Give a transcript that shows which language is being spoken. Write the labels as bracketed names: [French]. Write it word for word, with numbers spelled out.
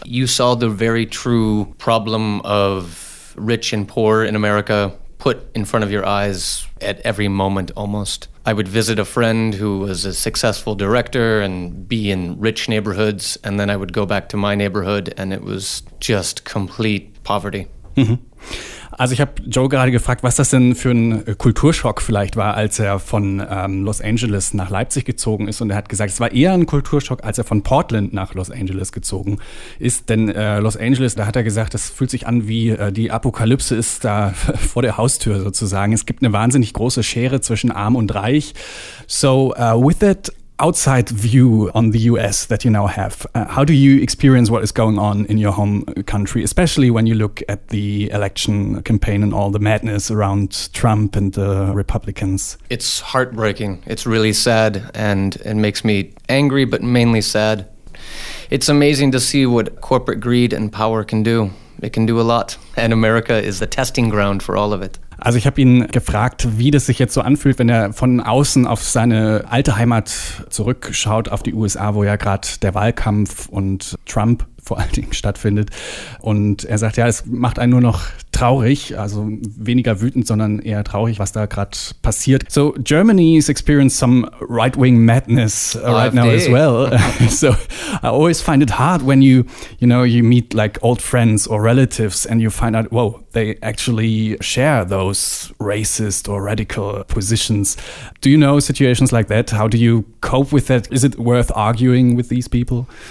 [English] You saw the very true problem of rich and poor in America put in front of your eyes at every moment almost. I would visit a friend who was a successful director and be in rich neighborhoods, and then I would go back to my neighborhood and it was just complete poverty. Mhm. [German] Also ich habe Joe gerade gefragt, was das denn für ein Kulturschock vielleicht war, als er von ähm, Los Angeles nach Leipzig gezogen ist. Und er hat gesagt, es war eher ein Kulturschock, als er von Portland nach Los Angeles gezogen ist. Denn äh, Los Angeles, da hat er gesagt, das fühlt sich an wie äh, die Apokalypse ist da vor der Haustür sozusagen. Es gibt eine wahnsinnig große Schere zwischen Arm und Reich. [English] So uh, with that outside view on the U S that you now have, uh, how do you experience what is going on in your home country, especially when you look at the election campaign and all the madness around Trump and the Republicans? It's heartbreaking. It's really sad, and it makes me angry, but mainly sad. It's amazing to see what corporate greed and power can do. It can do a lot, and America is the testing ground for all of it. [German] Also ich habe ihn gefragt, wie das sich jetzt so anfühlt, wenn er von außen auf seine alte Heimat zurückschaut, auf die U S A, wo ja gerade der Wahlkampf und Trump vor allen Dingen stattfindet. Und er sagt, ja, es macht einen nur noch traurig, also weniger wütend, sondern eher traurig, was da gerade passiert. [English] So Germany's experienced some right-wing madness uh, right now as well. So I always find it hard when you, you know, you meet like old friends or relatives and you find out, whoa, they actually share those racist or radical positions. Do you know situations like that? How do you cope with that? Is it worth arguing with these people?